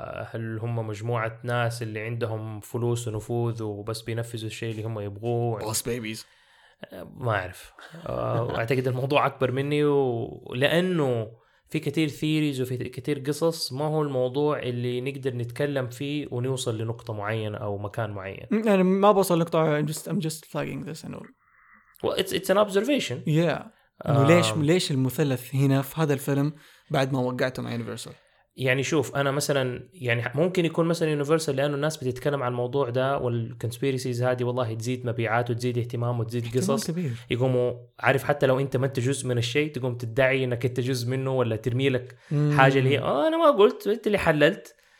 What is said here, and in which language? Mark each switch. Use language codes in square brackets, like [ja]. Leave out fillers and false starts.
[ar] هل هم مجموعه ناس اللي عندهم فلوس ونفوذ وبس بينفذوا الشيء اللي هم يبغوه؟ بوس بيبيز ما اعرف. اعتقد الموضوع اكبر مني، ولانه في كتير ثيريز وفي كتير قصص، ما هو الموضوع اللي نقدر نتكلم فيه ونوصل لنقطة معينة أو مكان معين. أنا ما بوصل لنقطة، [en] I'm just flagging this and all. Well, it's an observation. Yeah. [ar] ليش المثلث هنا في هذا الفيلم بعد ما وقعته مع Universal؟ يعني شوف أنا مثلاً يعني ممكن يكون مثلاً Universal لأنه الناس بتتكلم عن الموضوع ده والconspiracies هذه والله تزيد مبيعات وتزيد اهتمام وتزيد قصص كبير. يقوموا عارف حتى لو أنت ما أنت جزء من الشيء تقوم تدعي أنك أنت جزء منه ولا ترمي لك حاجة اللي هي أنا ما قلت أنت اللي حللت